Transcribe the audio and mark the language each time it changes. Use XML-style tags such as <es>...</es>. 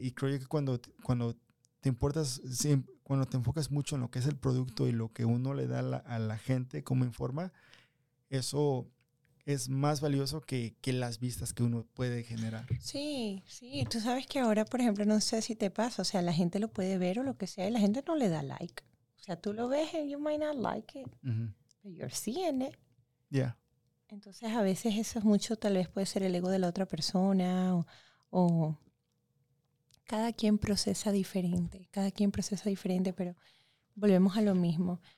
<es>Y creo yo que cuando te importas, cuando te enfocas mucho en lo que es el producto y lo que uno le da a la gente, cómo informa, eso es más valioso que las vistas que uno puede generar. Sí, sí. Tú sabes que ahora, por ejemplo, no sé si te pasa, o sea, la gente lo puede ver o lo que sea, y la gente no le da like. O sea, tú lo ves</es> <en>and you might not like it, uh-huh. but you're seeing it. Yeah.</en> <es>Entonces, a veces eso es mucho, tal vez puede ser el ego de la otra persona, o cada quien procesa diferente, pero volvemos a lo mismo.</es>